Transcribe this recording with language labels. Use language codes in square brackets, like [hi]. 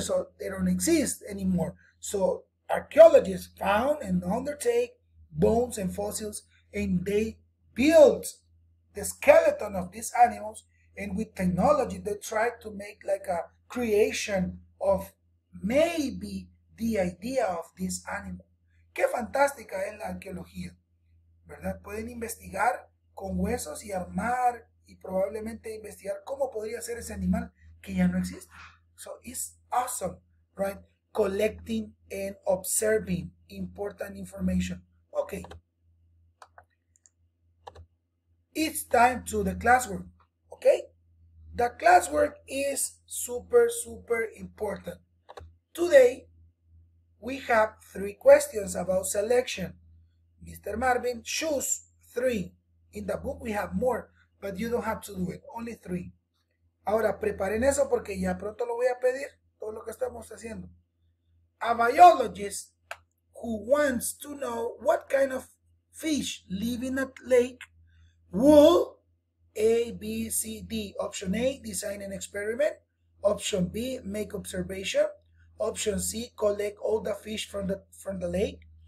[en] So they don't exist anymore. So archaeologists found and undertake bones and fossils and they built the skeleton of these animals. And with technology, they try to make like a creation of maybe the idea of this animal. [es] Qué fantástica es la arqueología, ¿verdad? Pueden investigar con huesos y armar y probablemente investigar cómo podría ser ese animal que ya no existe. [en] So it's awesome, right? Collecting and observing important information. Okay. It's time to the classroom, okay? The classwork is super, super important. Today, we have three questions about selection. Mr. Marvin, choose three. In the book, we have more, but you don't have to do it. Only three. [es] Ahora, preparen eso porque ya pronto lo voy a pedir, todo lo que estamos haciendo. [en] A biologist who wants to know what kind of fish live in a lake will A, B, C, D. Option A, design an experiment. Option B, make observation. Option C, collect all the fish from the lake.